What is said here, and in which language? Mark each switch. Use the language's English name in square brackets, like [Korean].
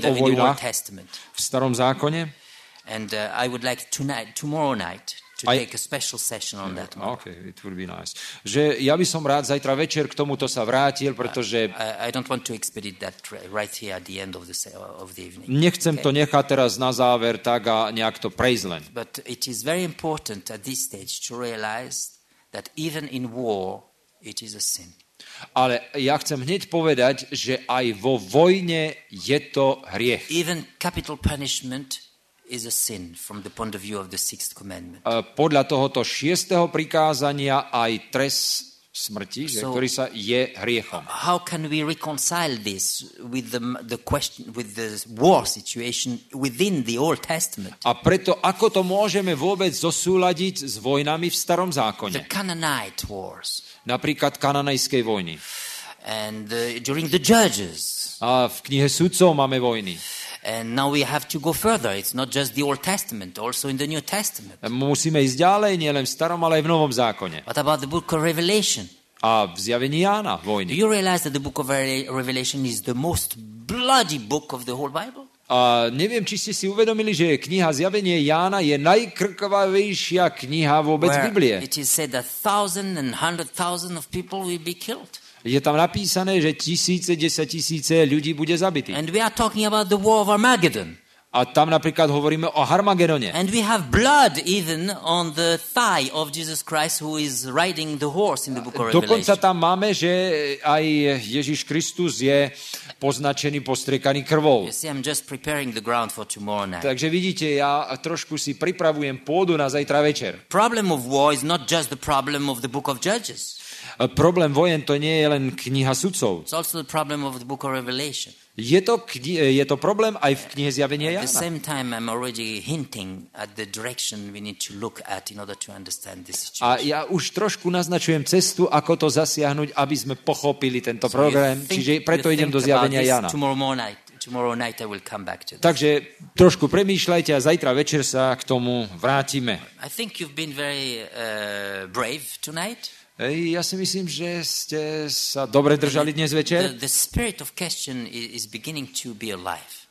[Slovak] o vojnách v Starom zákone. [English] And I would like tomorrow night take a special session on that one. Okay, it will be nice. [Slovak] Že ja by som rád zajtra večer k tomuto sa vrátil, pretože [English] I don't want to expedite that right here at the end of the evening. [Slovak] Nechcem to nechať teraz na záver tak a nejak to prejsť len. [English] But it is very important at this stage to realize that even in war it is a sin. [Slovak] Ale ja chcem hneď povedať, že aj vo vojne je to hriech. [English] Even capital punishment is a sin from the point of view of the sixth commandment. [Slovak] Podľa tohoto šiestého prikázania aj trest smrti, so, ktorý sa je hriechom. [English] How can we reconcile this with the question with the war situation within the Old Testament? [Slovak] A preto ako to môžeme vôbec zosúladiť s vojnami v Starom zákone? [English] The Canaanite wars. [Slovak] Napríklad kananejskej vojny. [English] And during the judges. [Slovak] A v knihe Sudcov máme vojny. [English] And now we have to go further. It's not just the Old Testament, also in the New Testament. [Slovak] Musíme ísť ďalej, nielen v Starom, ale aj v Novom zákone. [English] What about the book of Revelation? [Slovak] A v zjavení Jána, vojny. [English] Do you realize that the book of Revelation is the most bloody book of the whole Bible? [Slovak] A neviem, či ste si uvedomili, že kniha Zjavenie Jána je najkrkavejšia kniha vôbec [English] where [Slovak] Biblie. [English] It is said that thousand and hundred thousand of people will be killed. [Slovak] Je tam napísané, že tisíce, desaťtisíce ľudí bude zabitých. [English] And we are talking about the war of Armageddon. [Slovak] A tam napríklad hovoríme o Harmagedone. [English] And we have blood even on the thigh of Jesus Christ who is riding the horse in the book of Revelation. [Slovak] Dokonca tam máme, že aj Ježiš Kristus je poznačený, postriekaný krvou. [English] You see, I'm just preparing the ground for tomorrow night. [Slovak] Takže vidíte, ja trošku si pripravujem pôdu na zajtra večer. [English] Problem of war is not just the problem of the book of Judges. [Slovak] Problém vojen to nie je len kniha Sudcov. [English] It's also the problem of the book of Revelation. [Slovak] Je to problém aj v knihe Zjavenia Jána. [English] At the same time I'm already hinting at the direction we need to look at in order to understand this situation. [Slovak] A ja už trošku naznačujem cestu, ako to zasiahnuť, aby sme pochopili tento [English] so [Slovak] problém, [English] think, [Slovak] čiže preto idem do Zjavenia Jána. [English] Tomorrow night I will come back to this. [Slovak] Takže trošku premýšľajte a zajtra večer sa k tomu vrátime. [English] I think you've been very brave tonight. [Slovak] Ja si myslím, že ste sa dobre držali dnes večer. [English] The spirit of question is beginning to be alive.